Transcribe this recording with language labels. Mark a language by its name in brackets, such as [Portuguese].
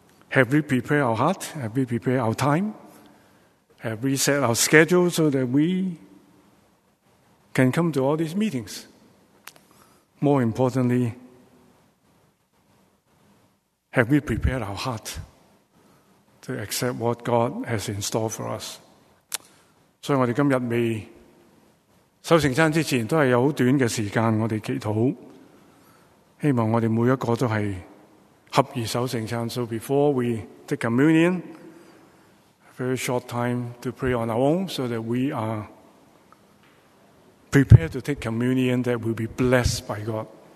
[English] Have we prepared our heart? Have we prepared our time? Have we set our schedule so that we can come to all these meetings? More importantly, have we prepared our heart to accept what God has in store for us? [Chinese] 所以我们今天未守圣餐之前，都是有很短的时间我们祈祷，希望我们每一个都是合而守圣餐。 [English] So before we take communion, a very short time to pray on our own so that we are prepared to take communion that will be blessed by God.